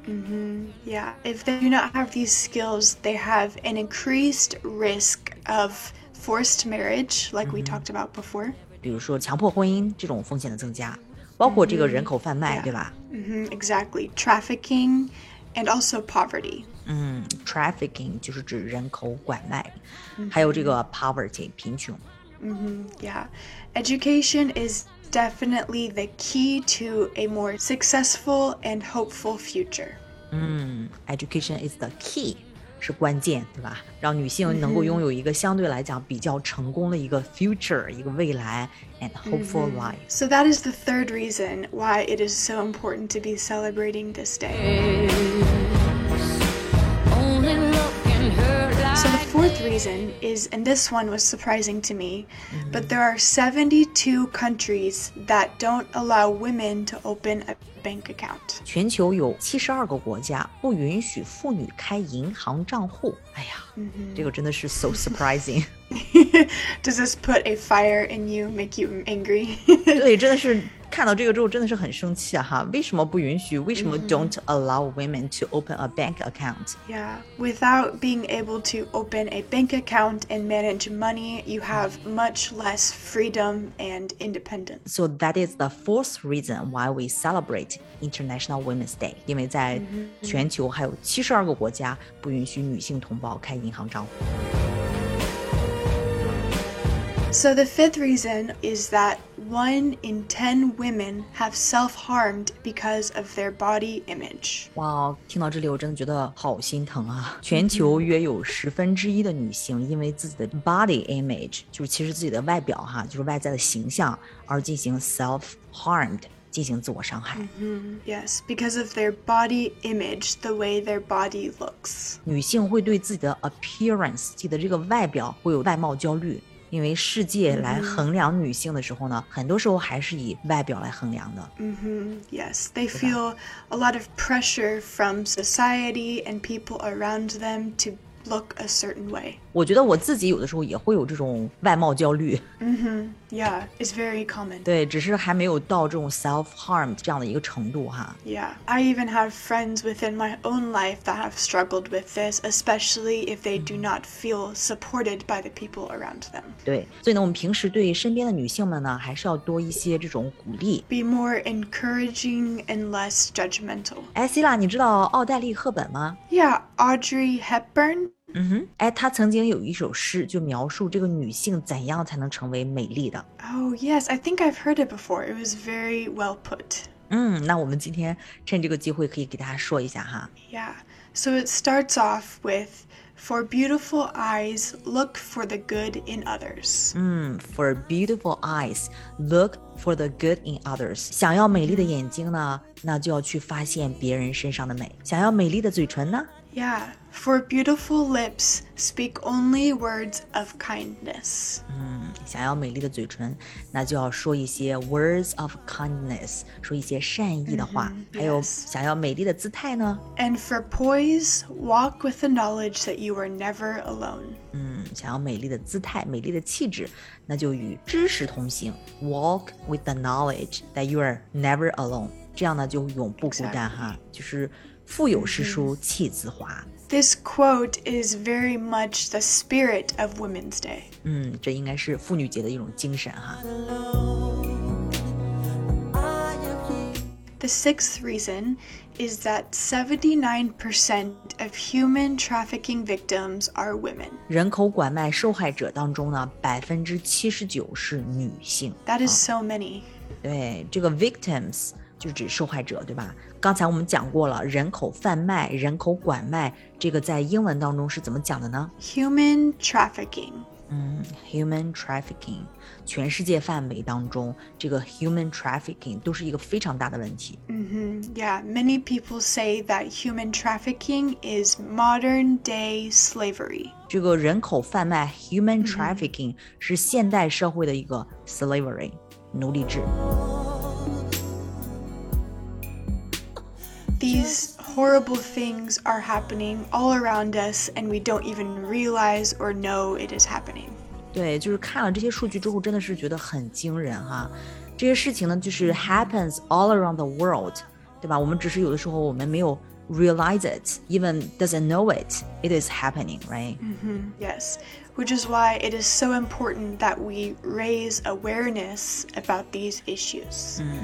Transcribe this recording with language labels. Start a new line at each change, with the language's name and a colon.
English: Yeah, if they do not have these skills they have an increased risk of forced marriage like we talked about before
Chinese: 比如说强迫婚姻这种风险的增加包括这个人口贩卖、
English: yeah.
Chinese: 对吧、
English: Exactly, trafficking and also poverty
Chinese: Trafficking 就是指人口拐卖、还有这个 poverty 贫穷、
English: Yeah, education is definitely the key to a more successful and hopeful future、 Education is the key
Chinese: 是关键对吧让女性能够拥有一个相对来讲比较成功的一个 future、一个未来
English: and hopeful life、 So that is the third reason why it is so important to be celebrating this day Fourth reason is, and this one was surprising to me, but there are 72 countries that don't allow women to open a bank account.
Chinese: 全球有72个国家不允许妇女开银行账户。哎呀，这个真的是
English: so surprising. Does this put a fire in you, make you angry?
Chinese: 对，真的是看到这个之后真的是很生气哈，为什么不允许，为什么
English: don't allow women to open a bank account? Yeah, without being able to open a bank account and manage money, you have much less freedom and independence. So that is the fourth reason why we celebrate International Women's Day.
Chinese: 因为在全球还有72个国家不允许女性同胞开银行账户。
English: So the fifth reason is that 1 in 10 women have self-harmed because of their body image.
Chinese: 哇，听到这里我真的觉得好心疼啊。全球约有1/10的女性因为自己的 body image, 就是其实自己的外表哈，就是外在的形象而进行 self-harmed,进行自我伤害。
English: Yes, because of their body image, the way their body looks.
Chinese: 女性会对自己的 appearance, 自己的这个外表会有外貌焦虑。因为世界来衡量女性的时候呢、mm-hmm. 很多时候还是以外表来衡量的。
English: Yes, they feel a lot of pressure from society and people around them to look a certain way.
Chinese: 我觉得我自己有的时候也会有这种外貌焦虑。
English: Yeah, it's very common.
Chinese: 对，只是还没有到这种 self-harm 这样的一个程度哈。
English: Yeah, I even have friends within my own life that have struggled with this, especially if they do not feel supported by the people around them.
Chinese: 对，所以呢，我们平时对身边的女性们呢，还是要多一些这种鼓励。
English: Be more encouraging and less judgmental.
Chinese: 哎 ，Sila， 你知道奥黛丽·赫本吗
English: ？Yeah, Audrey Hepburn.
Chinese: 哎，她曾经有一首诗就描述这个女性怎样才能成为美丽的。
English: Oh, yes, I think I've heard it before. It was very well put.
Chinese: 那我们今天趁这个机会可以给大家说一下哈。
English: Yeah, so it starts off with, for beautiful eyes, look for the good in others. For beautiful eyes, look for the good in others.
Chinese: 想要美丽的眼睛呢，那就要去发现别人身上的美。想要美丽的嘴唇呢？
English: Yeah, for beautiful lips, speak only words of kindness.
Chinese: 想要美丽的嘴唇，那就要说一些
English: words of kindness,
Chinese: 说一些善意的话。还有想要美丽的姿态呢？
English: And for poise, walk with the knowledge that you are never alone.
Chinese: 想要美丽的姿态，美丽的气质，那就与知识同行。
English: Walk with the knowledge that you are never alone.
Chinese: 这样呢，就永不孤单哈。就是腹有诗书气自华。
English: This quote is very much the spirit of Women's Day.
Chinese: 这应该是妇女节的一种精神哈。
English: The sixth reason is that 79% of human trafficking victims are women.
Chinese: 人口拐卖受害者当中呢，79%是女性。
English: That is so many.
Chinese: 对，这个 victims 就指受害者，对吧？刚才我们讲过了，人口贩卖、人口拐卖，这个在英文当中是怎么讲的呢
English: ？Human trafficking. Human trafficking.
Chinese: 全世界范围当中，这个 human trafficking 都是一个非常大的问题。
English: Yeah. Many people say that human trafficking is modern day slavery.
Chinese: 这个人口贩卖 human trafficking 是现代社会的一个 slavery， 奴隶制。
English: These horrible things are happening all around us, and we don't even realize or know it is happening.
Chinese: 对，就是看了这些数据之后，真的是觉得很惊人哈。这些事情呢，就是
English: happens all around the world,
Chinese: 对吧？我们只是有的时候我们没有
English: realize it, even doesn't know it. It is happening, right? Yes, which is why it is so important that we raise awareness about these issues.